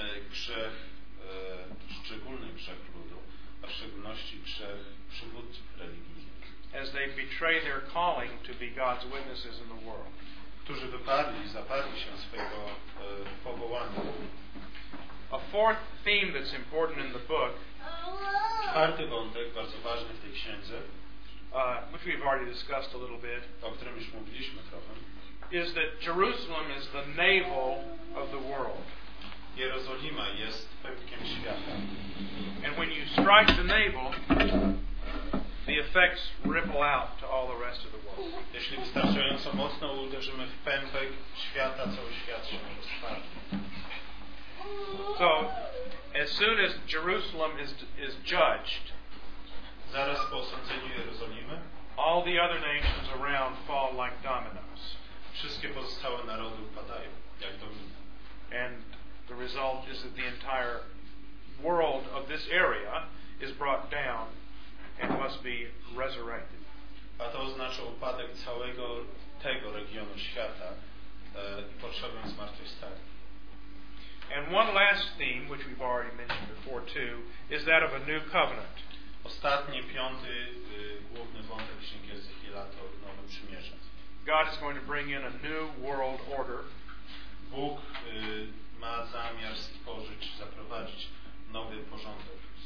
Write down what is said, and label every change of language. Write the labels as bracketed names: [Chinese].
[Polish] grzech, szczególny grzech ludu, a w szczególności grzech przywódców religijnych. [English] As they betray their calling to be God's witnesses in the world. [Polish] Którzy wyparli, zaparli się swojego powołania. [English] A fourth theme that's important in the book. [Polish] Czwarty wątek, bardzo ważny w tej księdze, [English] which we've already discussed a little bit, [Polish] o którym już mówiliśmy trochę, [English] is that Jerusalem is the navel of the world. [Polish] Jerozolima jest pępkiem świata. [English] And when you strike the navel, the effects ripple out to all the rest of the world. [Polish] Jeśli wystarczająco mocno uderzymy w pępek świata, cały świat się rozparli. [English] So, as soon as Jerusalem is judged, [Polish] zaraz po osądzeniu Jerozolimy, [English] all the other nations around fall like dominoes. [Polish] Wszystkie pozostałe narody upadają, jak domino. [English] And the result is that the entire world of this area is brought down and must be resurrected. [Polish] A to oznacza upadek całego tego regionu świata i potrzebę zmartwychwstania. [English] And one last theme, which we've already mentioned before too, is that of a new covenant. [Polish] Ostatni, piąty, główny wątek Księgi Ezechiela to nowe przymierze. [English] God is going to bring in a new world order. [Polish] Bóg ma zamiar stworzyć, zaprowadzić nowy porządek.